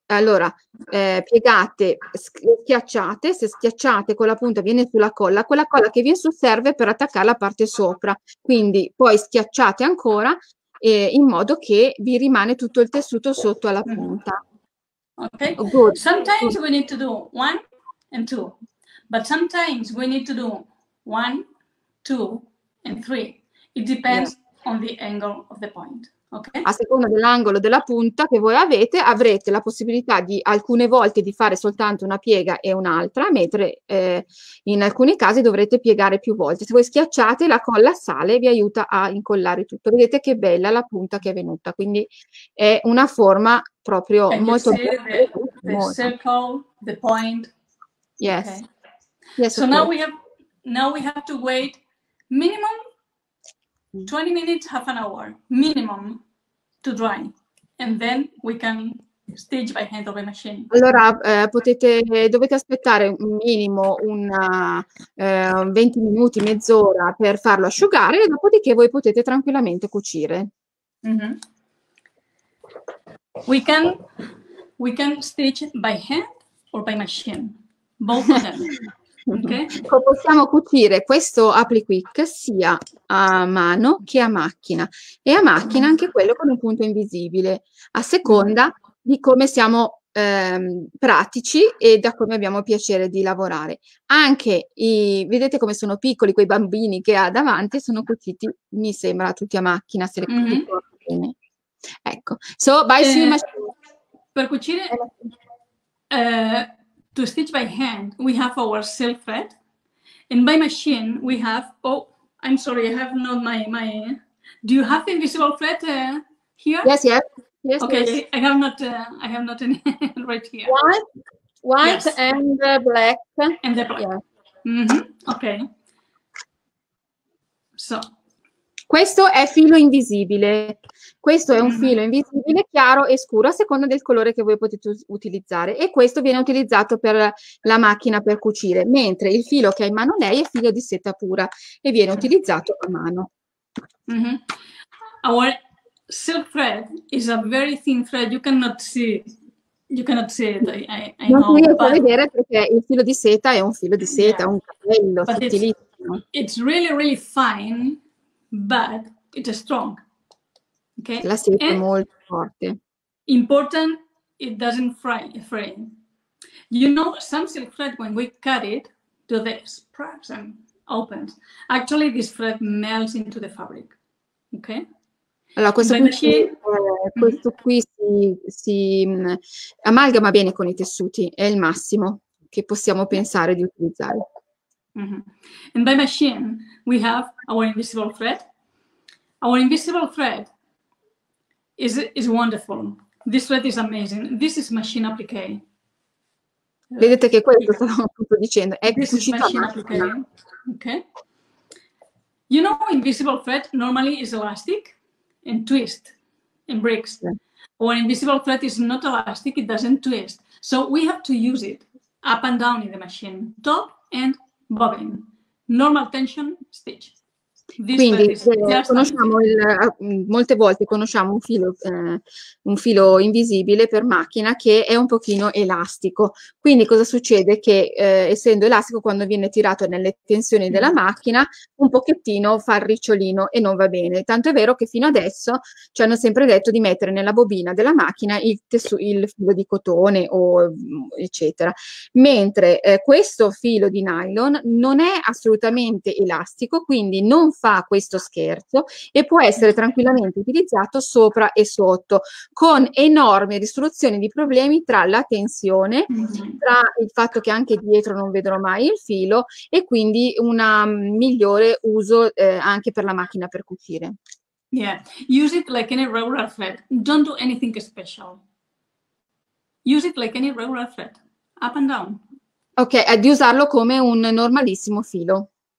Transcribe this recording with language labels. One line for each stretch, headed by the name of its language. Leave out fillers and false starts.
Italian: Allora, piegate, schiacciate, se schiacciate con la punta viene sulla colla, quella colla che viene su serve per attaccare la parte sopra, quindi poi schiacciate ancora in modo che vi rimane tutto il tessuto sotto alla punta.
English: Ok, good. Sometimes we need to do one and two, but sometimes we need to do one, two and three, it depends on the angle of the point. Okay.
Italian: A seconda dell'angolo della punta che voi avete, avrete la possibilità di alcune volte di fare soltanto una piega e un'altra, mentre in alcuni casi dovrete piegare più volte. Se voi schiacciate, la colla sale e vi aiuta a incollare tutto. Vedete che bella la punta che è venuta, quindi è una forma proprio
English: can
Italian: molto bella.
English: The circle, the point. Yes. Okay. Yes, so now we have to wait minimum 20 minutes, half an hour, minimum, to dry. And then we can stitch by hand of a machine.
Italian: Allora, dovete aspettare un minimo una, 20 minuti, mezz'ora per farlo asciugare, dopodiché voi potete tranquillamente cucire. Mm-hmm.
English: We can stitch by hand or by machine, both of them. Okay.
Italian: Possiamo cucire questo appliquick sia a mano che a macchina, e a macchina anche quello con un punto invisibile, a seconda di come siamo pratici e da come abbiamo piacere di lavorare. Anche i, vedete come sono piccoli quei bambini che ha davanti, sono cuciti, mi sembra, tutti a macchina, se le cucito bene.
English: Ecco. So by machine.
Italian: Per cucire
English: to stitch by hand, we have our silk thread, and by machine we have. Oh, I'm sorry, I have not my. Do you have invisible thread here? Yes. Okay, yes. I have not any right here. White, yes. and the black. Yeah. Mm-hmm. Okay. So.
Italian: Questo è filo invisibile. Questo è un filo invisibile, chiaro e scuro, a seconda del colore che voi potete utilizzare. E questo viene utilizzato per la macchina per cucire, mentre il filo che ha in mano lei è filo di seta pura e viene utilizzato a mano. Mm-hmm.
English: Our silk thread is a very thin thread. You cannot see it.
Italian: Non si può vedere, perché il filo di seta è un filo di seta, un capello sottilissimo.
English: It's really, really fine, but it's strong. Okay.
Italian: La seta è molto forte.
English: Important, it doesn't fray. You know, some silk thread, when we cut it, do this, cracks and opens. Actually, this thread melts into the fabric. Okay?
Italian: Allora, questo qui si amalgama bene con i tessuti. È il massimo che possiamo pensare di utilizzare. Mm-hmm.
English: And by machine, we have our invisible thread. Our invisible thread is wonderful. This thread is amazing. This is machine applique.
Italian: Vedete che questo sto appunto dicendo. È
English: this is machine applique. Okay. You know, invisible thread normally is elastic and twist and breaks. Yeah. Our invisible thread is not elastic, it doesn't twist. So we have to use it up and down in the machine, top and bobbin. Normal tension stitch.
Italian: Quindi conosciamo molte volte conosciamo un filo invisibile per macchina che è un pochino elastico. Quindi cosa succede? Che essendo elastico, quando viene tirato nelle tensioni della macchina, un pochettino fa il ricciolino e non va bene. Tanto è vero che fino adesso ci hanno sempre detto di mettere nella bobina della macchina il filo di cotone o eccetera. Mentre questo filo di nylon non è assolutamente elastico, quindi non fa questo scherzo e può essere tranquillamente utilizzato sopra e sotto, con enorme risoluzione di problemi tra la tensione, tra il fatto che anche dietro non vedrò mai il filo, e quindi una migliore uso anche per la macchina per cucire.
English: Yeah, use it like any regular thread. Don't do anything special. Use it like any regular thread, up and down.
Italian: Ok, è di usarlo come un normalissimo filo.